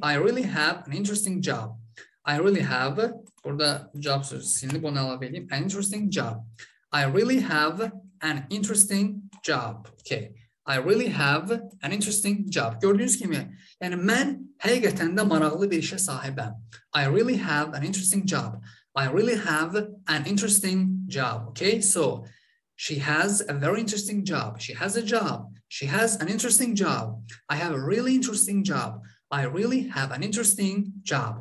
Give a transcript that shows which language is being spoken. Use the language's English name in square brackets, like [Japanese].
[English] I really have an interesting job. I really have, [Azerbaijani] burada job sözü silinib, onu əlavə edeyim, [English] an interesting job. I really have an interesting job, okay? I really have an interesting job. [Azerbaijani] Gördüyünüz kimi, yəni mən həqiqətən də maraqlı bir işə sahibəm. [English] I really have an interesting job. I really have an interesting job. Okay, so she has a very interesting job. She has a job. She has an interesting job. I have a really interesting job. I really have an interesting job.